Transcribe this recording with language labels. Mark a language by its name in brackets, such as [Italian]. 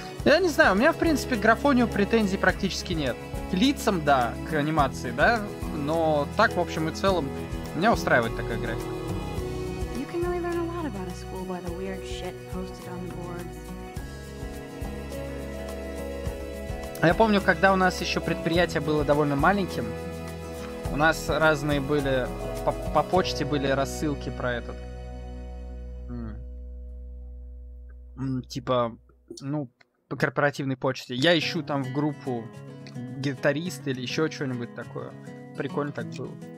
[Russian] Я не знаю, у меня, в принципе, к графонию претензий практически нет. К лицам, да, к анимации, да, но так, в общем и целом, меня устраивает такая графика. [English] You can really learn a lot about a school by the weird shit posted on the boards. [Russian] Я помню, когда у нас еще предприятие было довольно маленьким, у нас разные были, по почте были рассылки про этот. Типа, ну, по корпоративной почте. Я ищу там в группу гитарист или еще что-нибудь такое. Прикольно так было.